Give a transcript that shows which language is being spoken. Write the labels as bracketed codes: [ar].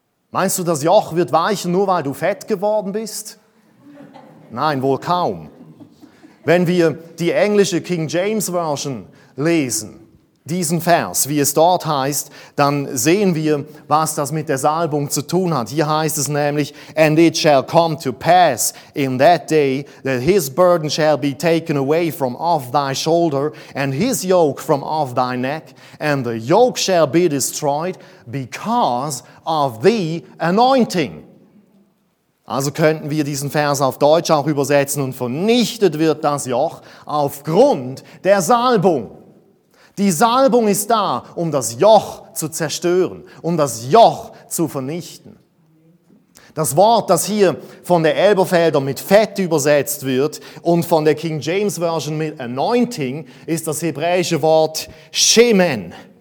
[de] Meinst du, das Joch wird weichen, nur weil du fett geworden bist? Nein, wohl kaum. Wenn wir die englische King James Version lesen, diesen Vers, wie es dort heißt, dann sehen wir, was das mit der Salbung zu tun hat. Hier heißt es nämlich, [en] and it shall come to pass in that day that his burden shall be taken away from off thy shoulder and his yoke from off thy neck and the yoke shall be destroyed because of the anointing. [de] Also könnten wir diesen Vers auf Deutsch auch übersetzen und vernichtet wird das Joch aufgrund der Salbung. Die Salbung ist da, um das Joch zu zerstören, um das Joch zu vernichten. Das Wort, das hier von der Elberfelder mit Fett übersetzt wird und von der King James Version mit Anointing, ist das hebräische Wort Shemen.